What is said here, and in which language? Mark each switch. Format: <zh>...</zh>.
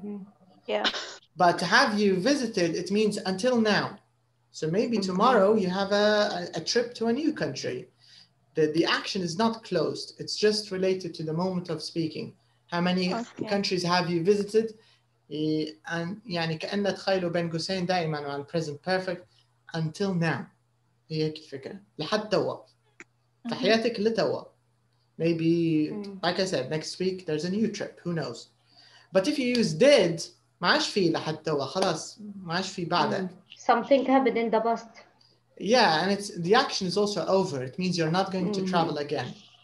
<en>Mm-hmm. Yeah. But to have you visited, it means until now. So maybe tomorrow you have a trip to a new country. The action is not closed. It's just related to the moment of speaking. How many countries have you visited?</en> <ar>And يعني كأن تخيلوا بين قوسين دائما على</ar> <en>present perfect until now.</en> <ar>هي هيك الفكرة. لحد توا. في حياتك لتوا.</ar> <en>Maybe, like I said, next week there's a new trip. Who knows? But if you use did,</en> <ar>ما عاش في لحد توا. خلاص ما عاش في بعدك.</ar> <en>Something happened in the past. Yeah, and it's the action is also over. It means you're not going to travel again.</en>